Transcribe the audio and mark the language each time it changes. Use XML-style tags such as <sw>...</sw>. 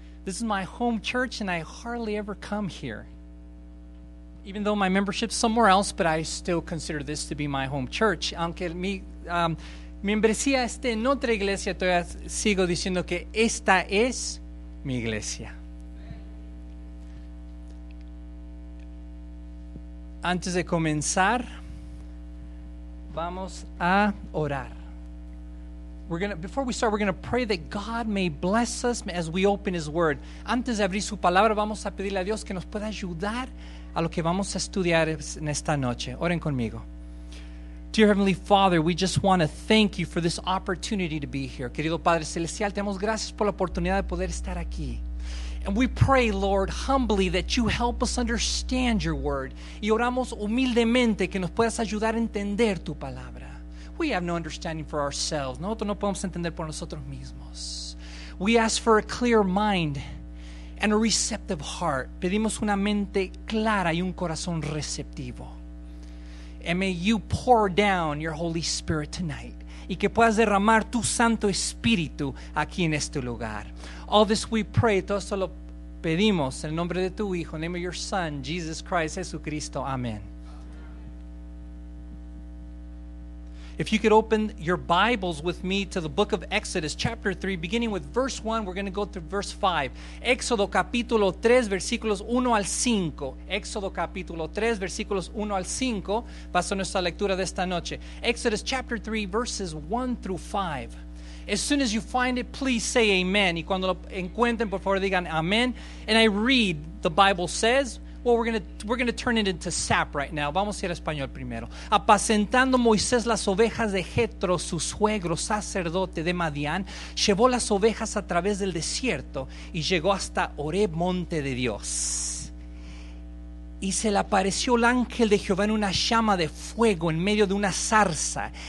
<en>This is my home church and I hardly ever come here. Even though my membership's somewhere else, but I still consider this to be my home church.</en> <es>Aunque mi membresía esté en otra iglesia, todavía sigo diciendo que esta es mi iglesia. Antes de comenzar, vamos a orar.</es> <en>Before we start, we're going to pray that God may bless us as we open His Word.</en> <es>Antes de abrir su palabra, vamos a pedirle a Dios que nos pueda ayudar a lo que vamos a estudiar en esta noche. Oren conmigo.</es> <en>Dear Heavenly Father, we just want to thank you for this opportunity to be here.</en> <es>Querido Padre Celestial, te damos gracias por la oportunidad de poder estar aquí.</es> <en>And we pray, Lord, humbly that you help us understand your word.</en> <es>Y oramos humildemente que nos puedas ayudar a entender tu palabra.</es> <en>We have no understanding for ourselves.</en> <es>Nosotros no podemos entender por nosotros mismos.</es> <en>We ask for a clear mind and a receptive heart.</en> <es>Pedimos una mente clara y un corazón receptivo.</es> <en>And may you pour down your Holy Spirit tonight.</en> <es>Y que puedas derramar tu Santo Espíritu aquí en este lugar.</es> <en>All this we pray,</en> <es>todo esto lo pedimos en el nombre de tu Hijo, en el nombre de tu Hijo, Jesus Christ, Jesucristo. Amén.</es> <en>If you could open your Bibles with me to the book of Exodus, chapter 3, beginning with verse 1, we're going to go through verse 5.</en> <es>Éxodo capítulo 3, versículos 1 al 5. Éxodo capítulo 3, versículos 1 al 5, pasó nuestra lectura de esta noche.</es> <en>Exodus chapter 3, verses 1 through 5. As soon as you find it, please say amen.</en> <es>Y cuando lo encuentren, por favor digan amen.</es> <en>And I read, the Bible says... Well, we're going to turn it into SAP right now.</en> <es>Vamos a ir a español primero. Apacentando Moisés las ovejas de Jetro, su suegro, sacerdote de Madián, llevó las ovejas a través del desierto y llegó hasta Horeb, monte de Dios. Y se le apareció el ángel de Jehová en una llama de fuego en medio de una zarza.</es>